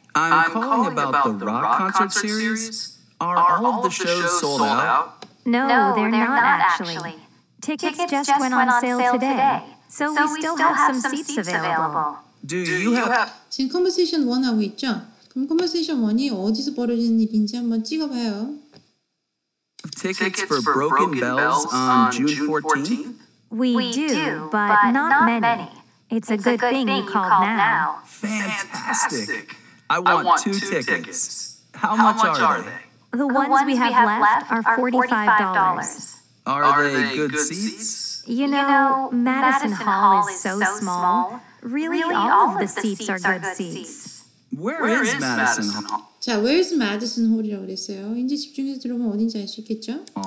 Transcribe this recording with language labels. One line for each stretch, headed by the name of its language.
English: I'm calling about the rock concert series. Are all of the shows sold out? No, they're not actually. Tickets just went on sale today. So we still have some seats available. Do you have...
Korean: 지금 Conversation 1 하고 있죠? 그럼 Conversation 1이 어디서 벌어지는 일인지 한번 찍어봐요.
English: Tickets for Broken Bells on June 14th? We do, but not many. It's a good thing you called now. Fantastic! I want two tickets. How much are they? The ones we have left are $45. Are they good seats? You know, Madison Hall is so small. Really, all of the seats are good seats. Where is Madison Hall?
Korean: 자, where is Madison Hall 이라고 그랬어요. 이제 집중해서 들어보면 어딘지 알 수 있겠죠?